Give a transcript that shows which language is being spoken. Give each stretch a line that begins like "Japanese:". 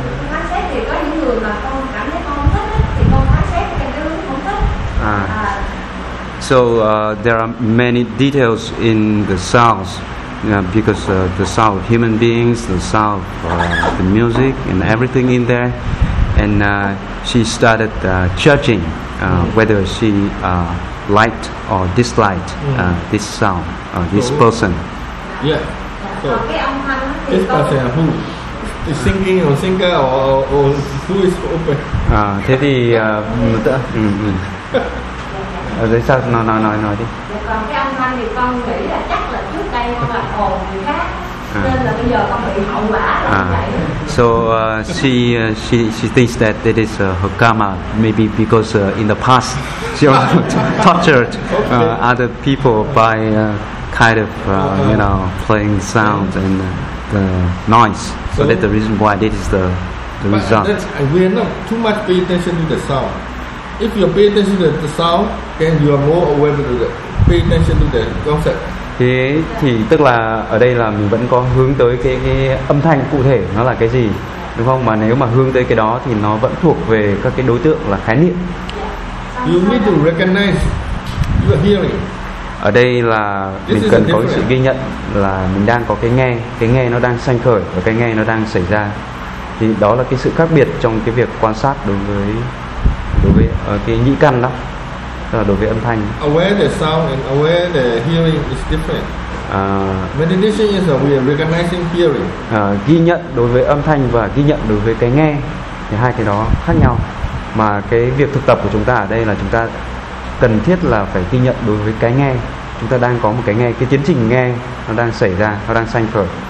Vietnamese: Phán xét thì có những người mà con cảm thấy con thích ấy, thì con phán xét cái hướng không thích.
English: So there are many details in the sounds, because the sound of human beings, the sound of the music and everything in there. And she started judging whether she liked or disliked this sound. This person. Yeah. So this person who is singing or singer or who is open?
Vietnamese: Thế thì người ta. Rồi sao? Nói đi. Còn cái âm thanh thì con nghĩ là chắc là trước đây con là ồn người khác, nên là bây giờ con bị hậu quả vậy.
English: So she thinks that it is her karma, maybe because in the past she also tortured other people by kind of you know, playing sounds and the noise. So that's the reason why this is the result. We are not too much pay attention to the sound. If you pay attention to the sound, then you are more aware of the pay attention to the concept.
Vietnamese: Thế thì tức là ở đây là mình vẫn có hướng tới cái âm thanh cụ thể nó là cái gì, đúng không? Mà nếu mà hướng tới cái đó thì nó vẫn thuộc về các cái đối tượng là khái niệm.
English: You need to recognize you are hearing.
Vietnamese: Ở đây là mình cần có sự ghi nhận là mình đang có cái nghe nó đang sanh khởi và cái nghe nó đang xảy ra. Thì đó là cái sự khác biệt trong cái việc quan sát đối với cái nhĩ căn đó, tức là đối với âm thanh.
English: Aware the sound and aware the hearing is different. Meditation is we are recognizing hearing.
Vietnamese: Ghi nhận đối với âm thanh và ghi nhận đối với cái nghe thì hai cái đó khác nhau. Mà cái việc thực tập của chúng ta ở đây là chúng ta cần thiết là phải ghi nhận đối với cái nghe, chúng ta đang có một cái nghe, cái tiến trình nghe nó đang xảy ra, nó đang sanh khởi.